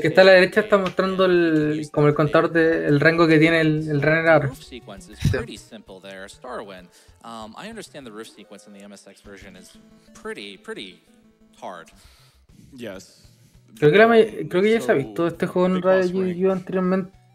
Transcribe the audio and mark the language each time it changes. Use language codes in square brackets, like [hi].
[es] que está a la derecha está mostrando como el contador del rango que tiene el runner ahora. [en] Pretty simple there, Starwind. I understand the roof sequence in the MSX version is pretty hard. Yes. [es] Creo que ya se ha visto este juego en radio yo anteriormente.